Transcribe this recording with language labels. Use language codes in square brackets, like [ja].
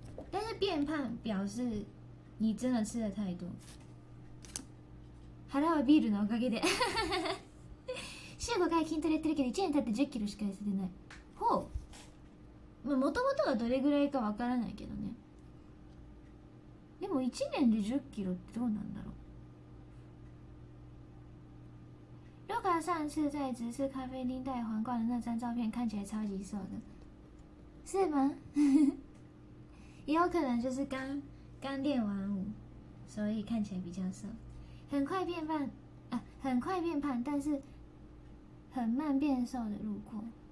[zh] 但是变胖表示你真的吃的太多。 [ja] 腹はビールのおかげで。週5回筋トレやってるけど1年経って10キロしか痩せてない。ほう。まあ、元々がどれぐらいかわからないけどね。でも1年で10キロってどうなんだろう。 [zh] ロカ上次在直視咖啡厅戴皇冠的那张照片看起来超级瘦的。是吗？也有可能就是刚练完舞，所以看起来比较瘦。很快变胖，很快变胖，但是很慢变瘦的路过。